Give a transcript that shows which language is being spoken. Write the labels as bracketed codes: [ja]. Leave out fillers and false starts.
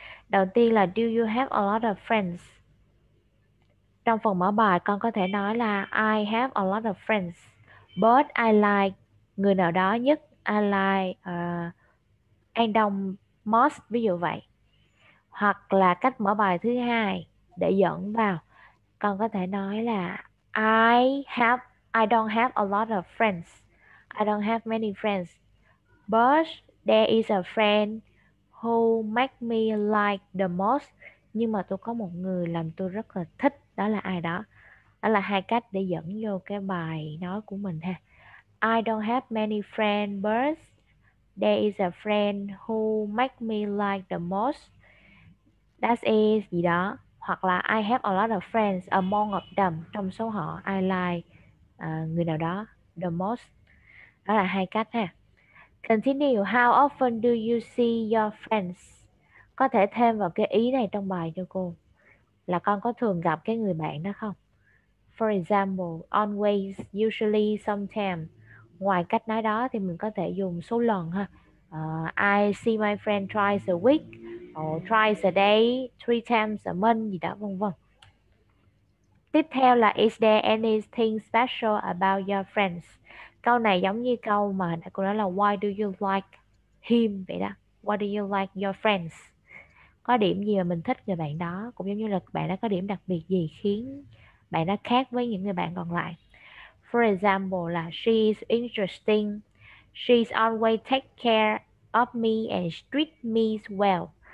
[vi] Đầu tiên là [en] do you have a lot of friends? [vi] Trong phần mở bài con có thể nói là [en] I have a lot of friends, but I like [vi] người nào đó nhất, [en] I like [vi] anh đông [en] most, [vi] ví dụ vậy. Hoặc là cách mở bài thứ hai để dẫn vào, con có thể nói là [en] I don't have a lot of friends. I don't have many friends. But there is a friend who make me like the most. [vi] Nhưng mà tôi có một người làm tôi rất là thích, đó là ai đó. Đó là hai cách để dẫn vô cái bài nói của mình ha. [en] I don't have many friends, but there is a friend who make me like the most. That is [vi] gì đó. [en] Hoặc là I have a lot of friends among of them. [vi] Trong số họ, [en] I like [vi] người nào đó [en] the most. [vi] Đó là hai cách ha. [en] Continue. How often do you see your friends? [vi] Có thể thêm vào cái ý này trong bài cho cô. Là con có thường gặp cái người bạn đó không? [en] For example, always, usually, sometime. [vi] Ngoài cách nói đó thì mình có thể dùng số lần ha. [en] I see my friend twice a week, or twice a day, three times a month [vi] gì đó vân vân. Tiếp theo là [en] is there anything special about your friends? [vi] Câu này giống như câu mà cô nói là [en] why do you like him [vi] vậy đó. [en] Why do you like your friends? [vi] Có điểm gì mà mình thích người bạn đó, cũng giống như là bạn đó có điểm đặc biệt gì khiến bạn đó khác với những người bạn còn lại. [en] For example [vi] là [en] she's interesting, she's always take care of me and treat me well.